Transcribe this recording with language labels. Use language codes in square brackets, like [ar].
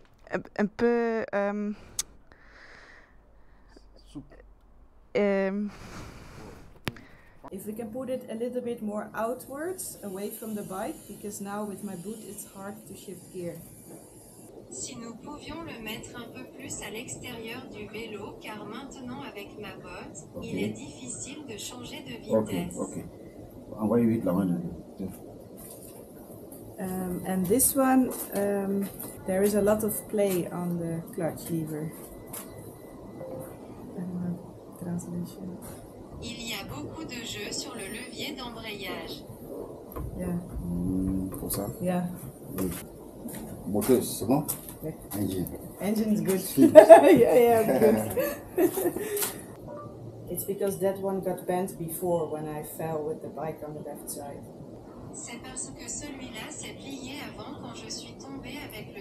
[en] if we can put it a little bit more outwards, away from the bike, because now with my boot it's hard to shift gear. [fr] Si nous pouvions le mettre un peu plus à l'extérieur du vélo, car maintenant avec ma botte, okay. Il est difficile de changer de vitesse. Okay. Envoyez la main. [en] And this one, there is a lot of play on the clutch lever. Translation. [fr] Il y a beaucoup de jeu sur le levier d'embrayage. Yeah. Pour ça. Yeah. Oui. Moteur, c'est bon? [en] Yeah. Engine. Engine is good. yeah, good. It's because that one got bent before when I fell with the bike on the left side. [fr] C'est parce que celui-là s'est plié avant quand je suis tombé avec le